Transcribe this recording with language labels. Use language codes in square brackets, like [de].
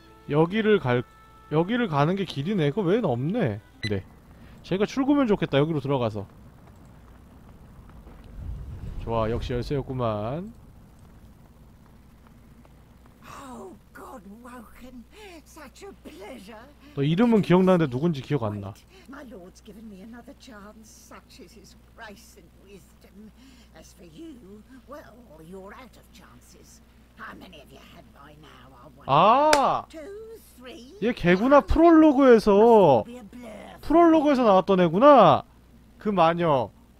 [ko] 여기를 가는 게 길이네. 그거 왜 없네. 네. 제가 출구면 좋겠다. 여기로 들어가서. 좋아. 역시 열쇠였구만. [en] Oh, God, Woken. Such a pleasure. [ko] 너 이름은 기억나는데 누군지 기억 안 나. [en] My lord's given me another chance. Such is his grace and wisdom. As for you, well, you're out of chances. How many have you had by now? [ko] 아, 얘 개구나. 프롤로그에서 나왔던 애구나. 그 마녀.